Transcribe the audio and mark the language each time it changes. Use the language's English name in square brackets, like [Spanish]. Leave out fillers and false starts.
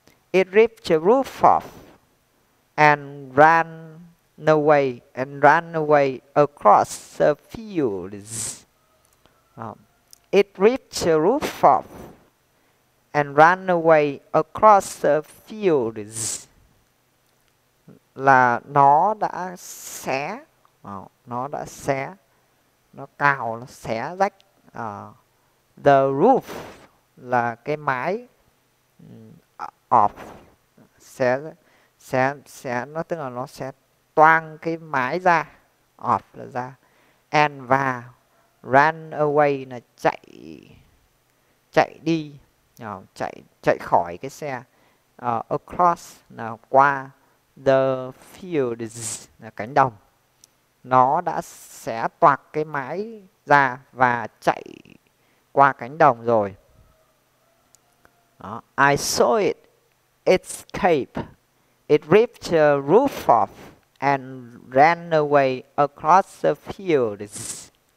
[English] It ripped the roof off and ran away across the fields. It ripped the roof off and ran away across the fields. [Vietnamese] Là nó đã xé, nó đã xé, nó cào, nó xé rách [English] the roof [Vietnamese] là cái mái, [English] off [Vietnamese] xé nó, tức là nó sẽ toang cái mái ra, off là ra, and và [English] run away [Vietnamese] là chạy chạy đi, chạy chạy khỏi cái xe, [English] across [Vietnamese] là qua, [English] the fields [Vietnamese] là cánh đồng. Nó đã xé toạc cái mái ra và chạy qua cánh đồng rồi. Đó. [English] I saw it escape. It ripped the roof off and ran away across the fields.